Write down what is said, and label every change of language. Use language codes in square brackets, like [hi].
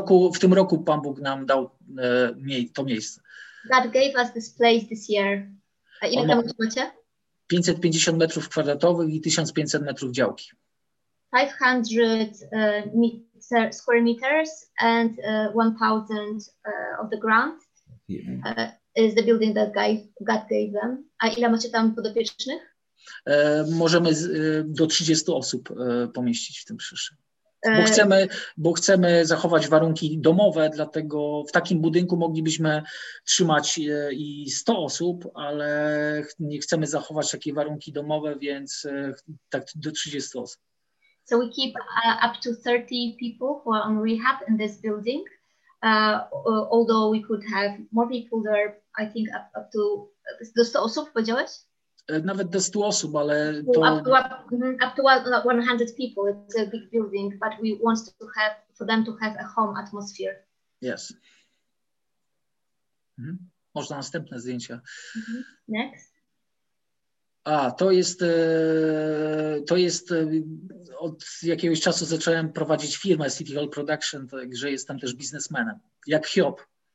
[pl] W tym roku Pan Bóg nam dał to miejsce. [en] God gave us this place this year. [pl] A ile tam macie? 550 metrów kwadratowych i 1500 metrów działki. [en] 500 square meters and 1,000 of the ground is the building that God gave them. [pl] A ile macie tam podopiecznych? Możemy do 30 osób pomieścić w tym przyszłym. Bo chcemy zachować warunki domowe, dlatego w takim budynku moglibyśmy trzymać i 100 osób, ale nie chcemy zachować takie warunki domowe, więc tak do 30 osób. [en] So we keep up to 30 people who are on rehab in this building, although we could have more people there, I think up to [pl] do 100 osób powiedziałeś? Nawet do 100 osób, ale to... [en] Up to 100 people, it's a big building, but we want to have, for them to have a home atmosphere. Yes. Mm-hmm. [pl] Można następne zdjęcia. [en] Mm-hmm. Next. [pl] A, to jest, od jakiegoś czasu zacząłem prowadzić firmę City Hall Production, także jestem też biznesmenem, jak Hiob.